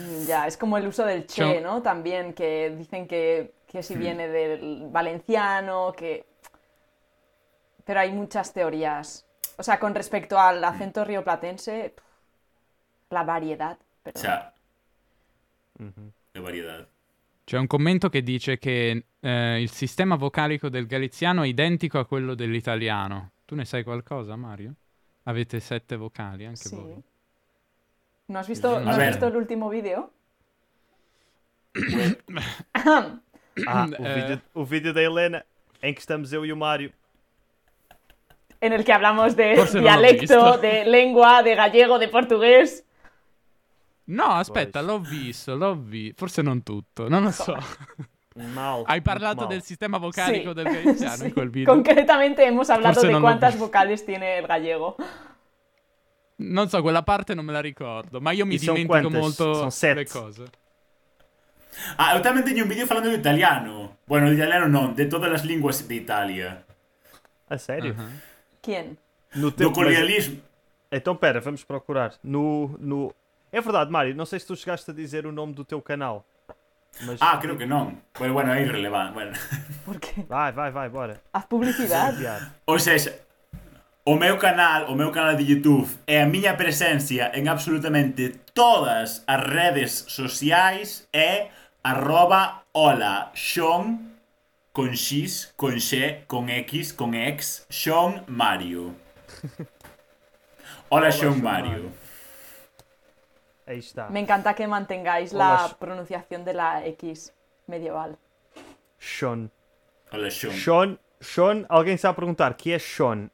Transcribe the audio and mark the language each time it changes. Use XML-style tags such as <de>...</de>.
<es>Ya, es como el uso del che, ¿no? También, que dicen que si viene del valenciano, que... Pero hai muchas teorías. O sea, con respecto al acento rioplatense, la variedad, perdón. O sea, la variedad.</es> <it>C'è un commento che dice che il sistema vocalico del galiziano è identico a quello dell'italiano. Tu ne sai qualcosa, Mario? Avete sette vocali anche voi? Sì. Non hai visto, visto l'ultimo video? il video di Helena in cui stiamo io e Mario. En el que hablamos de dialecto, de lengua, de gallego, de portugués. No, aspetta, l'ho visto, forse non tutto, non lo so. Hai parlato del sistema vocalico del galiziano in quel video.</it> <es>Concretamente hemos hablado de quantas vocales tiene el gallego.</es> <it>Non so, quella parte non me la ricordo, ma io mi dimentico molto le cose.</it> <es>Ah, io también tenía un video hablando de italiano. Bueno, italiano no, de todas las lenguas de Italia.</es> <it>A serio?</it> <es>¿Quién? No colonialismo.</es> <pt>Então, pera, vamos procurar. No... É verdade, Mário, não sei se tu chegaste a dizer o nome do teu canal. Mas... Ah, creo que não. Pero bueno, é irrelevante.</pt> <es>Bueno.</es> <pt>Por quê? Vai, bora. Há publicidade. Ou seja, o meu canal de YouTube é a minha presença em absolutamente todas as redes sociais é @olaxon com X, com X, com X, com X, Xon Mario. Olaxon Mario.</pt> <es>Ahí está. Me encanta que mantengáis la pronunciación de la X medieval. Sean. Hola, Sean. Sean, alguien se va a preguntar, ¿qué es Sean?</es>